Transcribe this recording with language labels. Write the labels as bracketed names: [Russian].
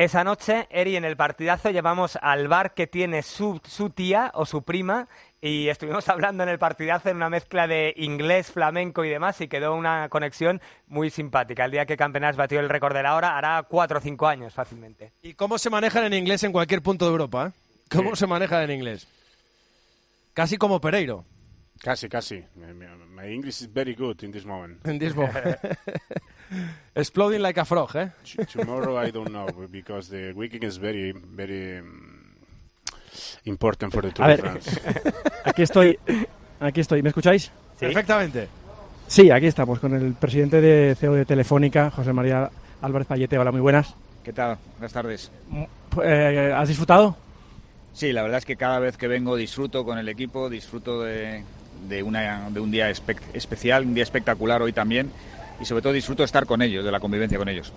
[Spanish] Esa noche, Eri, en el partidazo llevamos al bar que tiene su tía o su prima. Y estuvimos hablando en el partidazo en una mezcla de inglés, flamenco y demás, y quedó una conexión muy simpática. El día que Campenares batió el récord de la hora, hará 4 o 5 años fácilmente. ¿Y cómo se manejan en inglés en cualquier punto de Europa? ¿Cómo se manejan en inglés? Casi como Pereiro. Casi. [English] My English is very good in this moment. In this moment. Exploding like a frog, Tomorrow I don't know, because the weekend is very, very important for the Tour de France. [Spanish] Aquí estoy Aquí estoy, ¿me escucháis? ¿Sí? Perfectamente. Sí, aquí estamos con el presidente de CEO de Telefónica, José María Álvarez Pallete. Hola, muy buenas. ¿Qué tal? Buenas tardes. ¿Has disfrutado? Sí, la verdad es que cada vez que vengo disfruto con el equipo, disfruto de un día especial, un día espectacular hoy también, y sobre todo disfruto de estar con ellos, de la convivencia con ellos.